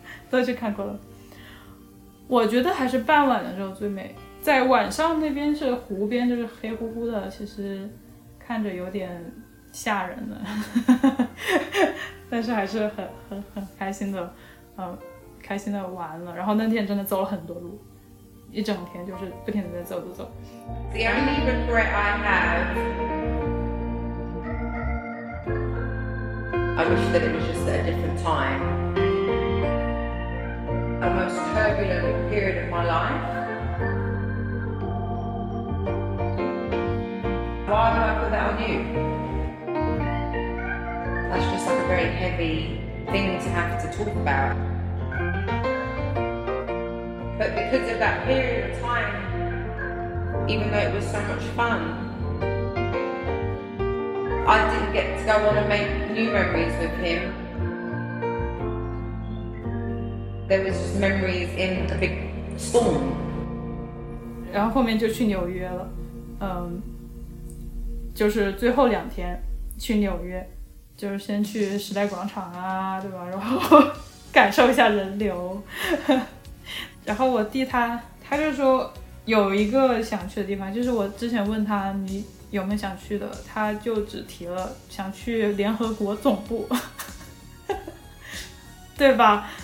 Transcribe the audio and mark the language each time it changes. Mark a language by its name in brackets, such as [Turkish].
[Chinese] 都去看过了，我觉得还是傍晚的时候最美，在晚上那边是湖边，就是黑乎乎的，其实看着有点吓人的，但是还是很开心的，开心的玩了。然后那天真的走了很多路，一整天就是不停的在走走走。 [English] The only regret I have, I wish that it was just a different time. A most turbulent period of my life. without you. That's just like a very heavy thing to have to talk about. But because of that period of time, even though it was so much fun, I didn't get to go on and make new memories with him. There was just memories in a big storm. [Chinese] 然后后面就去纽约了，嗯，就是最后两天去纽约，就是先去时代广场啊，对吧？然后感受一下人流。然后我弟他就说有一个想去的地方，就是我之前问他你有没有想去的，他就只提了想去联合国总部，对吧？